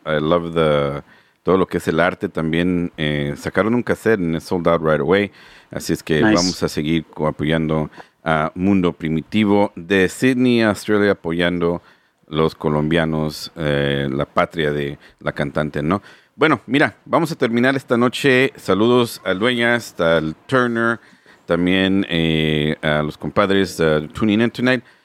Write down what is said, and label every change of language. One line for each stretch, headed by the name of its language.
English: I love
Spanish: todo lo que es el arte también. Sacaron un cassette
English: and it sold out right away.
Spanish: Así es que nice. Vamos a seguir apoyando a Mundo Primitivo de Sydney, Australia, apoyando los colombianos, la patria de la cantante, ¿no? Bueno, mira, vamos a terminar esta noche. Saludos a Dueñas, al Turner, también a los compadres
English: tuning in tonight.